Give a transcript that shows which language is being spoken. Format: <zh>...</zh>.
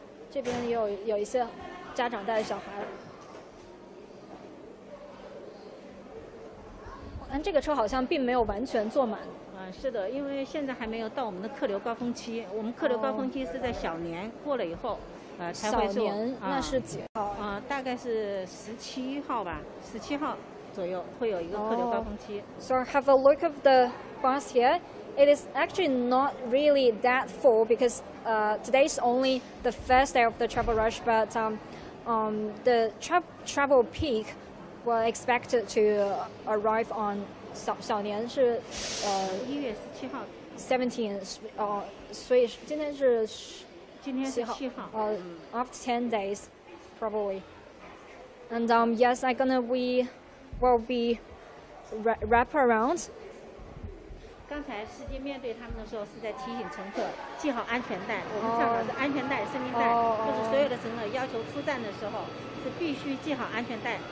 <zh>这边有一些家长带着小孩，但这个车好像并没有完全坐满。是的，因为现在还没有到我们的客流高峰期，我们客流高峰期是在小年过了以后，才会坐。小年那是几号？大概是17号吧，17号左右会有一个客流高峰期。</zh> <en>So have a look of the bus here. It is actually not really that full because today is only the first day of the travel rush, but the travel peak was expected to arrive on.</en> <zh>小年是 1月17号 17th 所以今天是今天是7号</zh> <en>after 10 days probably and yes I'm gonna we will be wrap around</en> <zh>刚才司机面对他们的时候是在提醒乘客系好安全带我们上的是安全带生命带就是所有的乘客要求出站的时候是必须系好安全带</zh>